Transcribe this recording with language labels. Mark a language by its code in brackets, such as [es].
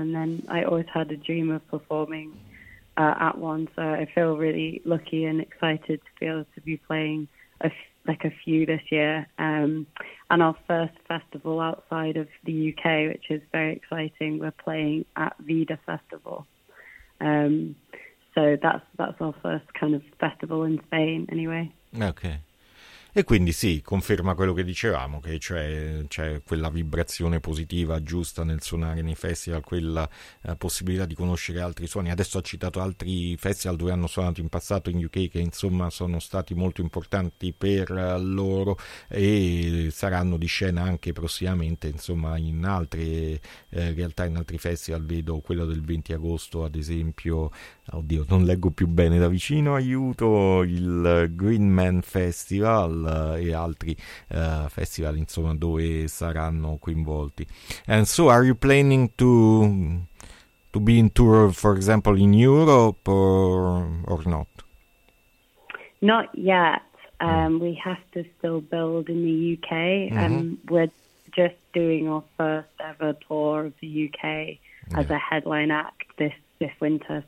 [en] And then I always had a dream of performing at one, so I feel really lucky and excited to be able to be playing a few this year, and our first festival outside of the UK, which is very exciting. We're playing at Vida Festival, so that's our first kind of festival in Spain anyway. Okay. [it] E quindi sì, conferma quello che dicevamo, che c'è quella vibrazione positiva giusta nel suonare nei festival, quella possibilità di conoscere altri suoni. Adesso ha citato altri festival dove hanno suonato in passato in UK, che insomma sono stati molto importanti per loro e saranno di scena anche prossimamente, insomma, in altre realtà, in altri festival. Vedo quello del 20 agosto ad esempio, oddio non leggo più bene da vicino, aiuto, il Green Man Festival e altri festival, insomma, dove saranno coinvolti. [en] And so are you planning to be in tour, for example, in Europe or not? Not yet. We have to still build in the UK. We're just doing our first ever tour of the UK as a headline act this winter.